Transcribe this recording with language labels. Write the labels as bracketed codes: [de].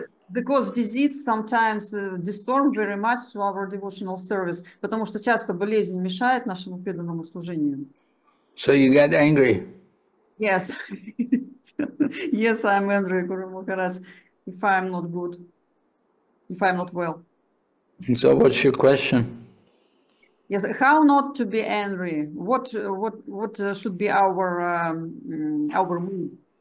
[en] Because disease sometimes disturbs very much to our devotional service. [ru] Потому что часто болезнь мешает нашему преданному служению. [en] So you get angry? Yes. Yes, I'm angry, Guru Maharaj, if I'm not good, if I'm not well. So what's your question? Yes, how not to be angry? What should be our mood?